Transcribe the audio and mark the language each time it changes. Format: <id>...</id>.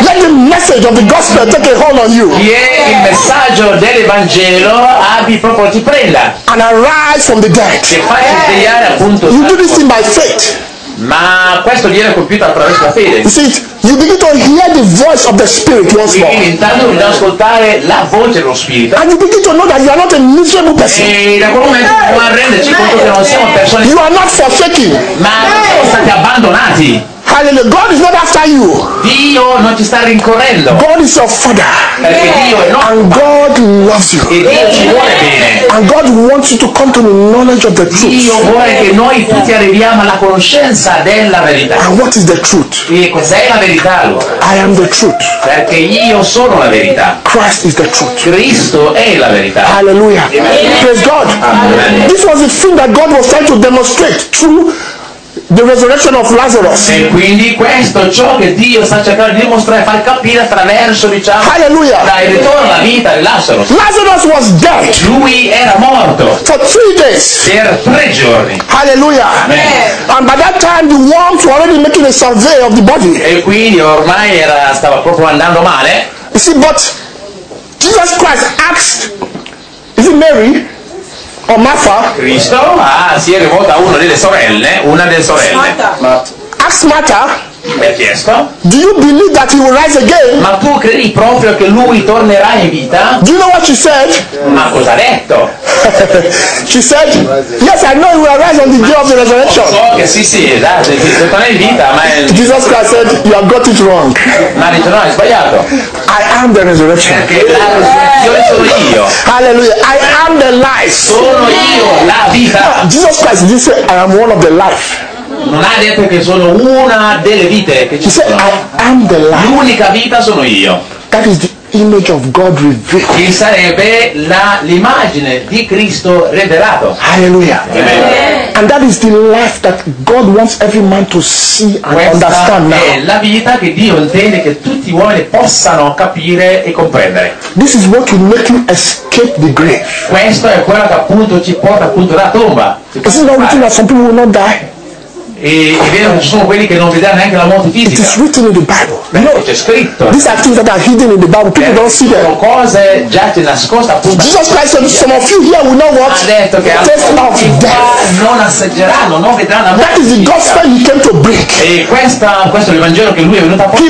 <en>Let the message of the gospel take a hold on you.</en> <it>Che il messaggio dell'Evangelo abbi proprio ti prenda.</it> <en>And arise from the dead.</en> <it>Che facci svegliare appunto.</it> <en>You do this in by faith.</en> <it>Ma questo viene compiuto attraverso la fede.</it> <en>You see, you begin to hear the voice of the Spirit once more.</en> <it>Quindi intanto bisogna ascoltare la voce dello Spirito.</it> <en>And you begin to know that you are not a miserable person.</en> <it>E da quel momento a renderci conto che non siamo persone.</it> <en>You are not forsaken.</en> <it>Ma siamo stati abbandonati.</it> <en>Hallelujah. God is not after you.</en> <it>Dio non ci sta rincorrendo.</it> <en>God is your father.</en> <it>Perché Dio è nostro.</it> <en>And God loves you.</en> <it>E Dio ci vuole bene.</it> <en>And God wants you to come to the knowledge of the truth.</en> <it>Dio vuole che noi tutti arriviamo alla conoscenza della verità.</it> <en>And what is the truth?</en> <it>E cos'è la verità allora?</it> <en>I am the truth.</en> <it>Perché io sono la verità.</it> <en>Christ is the truth.</en> <it>Cristo è la verità.</it> <en>Hallelujah. Amen. Praise God. Amen. This was the thing that God was trying to demonstrate through the resurrection of Lazarus.</en> <it>E quindi questo è ciò che Dio sta cercando di dimostrare, far capire attraverso, diciamo,</it> <en>hallelujah,</en> <it>dai, ritorno alla vita di Lazarus.</it> <en>Lazarus was dead.</en> <it>Lui era morto.</it> <en>For 3 days.</en> <it>Per 3 giorni.</it> <en>Hallelujah. Amen. And by that time the worms were already making a survey of the body. E quindi ormai era, stava proprio andando male. You see, but Jesus Christ asked, is it Mary? O Martha?</en> <it>Cristo si è rivolta a una delle sorelle.</it> <en>Martha. Ask Martha.</en> <it>Mi ha chiesto.</it> <en>Do you believe that he will rise again?</en> <it>Ma tu credi proprio che lui tornerà in vita?</it> <en>Do you know what she said?</en> <it>Ma cosa ha detto?</it> <en>She said, yes, I know he will rise on the day of the resurrection.</en> <it>So che sì, esatto, tornerà in vita, ma.</it> <en>Jesus Christ said, you have got it wrong.</en> <it>Ma dice, no, hai sbagliato.</it> <en>I am the resurrection.</en> <it>Io sono io.</it> <en>Hallelujah. I am the life.</en> <it>Sono io la vita. No,</it> <en>Jesus Christ did say, I am one of the life.</en> <it>Non ha detto che sono una delle vite che ci sono. L'unica vita sono io.</it> <en>That is the image of God revealed.</en> <it>Che sarebbe l'immagine di Cristo rivelato.</it> <en>Hallelujah. Amen. And that is the life that God wants every man to see and</en> <it>questa</it> <en>understand now.</en> <it>È la vita che Dio intende che tutti gli uomini possano capire e comprendere.</it> <en>This is what will make you escape the grave.</en> <it>Questo è quello che appunto ci porta appunto la tomba.</it> <en>This is not written that some people will not die.</en> <it>E vero, ci sono quelli che non vedranno neanche la morte fisica.</it> <en>It is written in the Bible.</en> <it>No, c'è scritto.</it> <en>These are things that are hidden in the Bible. People don't see them.</en> <it>Sono cose già nascoste appunto.</it> <en>Jesus Christ said, some of you here will not what? Taste of death.</en> <it>Non assaggeranno, non vedranno la morte.</it> <en>That is the gospel he came to bring.</en> <it>E questo è l'evangelo che lui è venuto a portare.</it>